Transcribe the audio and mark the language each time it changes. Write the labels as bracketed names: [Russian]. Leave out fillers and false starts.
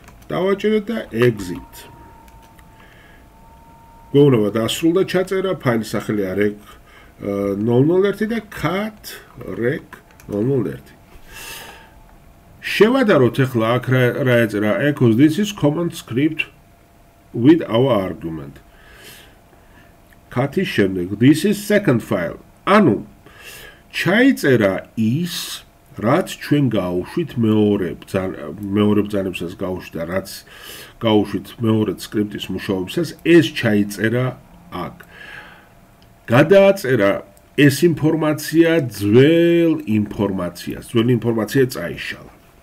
[Georgian] დავაჭერეთ და exit. გვეუბნება დასრულდა ჩაწერა, ფაილი სახელია rec 001 და cat rec 001. შევადაროთ ახლა აქ რა ეწერა. [English] Echo this is command script with our argument. [Georgian] Cat-ის შემდეგ [English] this is second file. [Georgian] ანუ ჩაიწერა ის, რაც ჩვენ გავუშვით მეორე ბრძანებისას გავუშვით და რაც გავუშვით მეორე სკრიპტის მუშაობისას, ეს ჩაიწერა აქ. გადააწერა ეს ინფორმაცია ძველ ინფორმაციას, ძველი ინფორმაცია წაიშალა.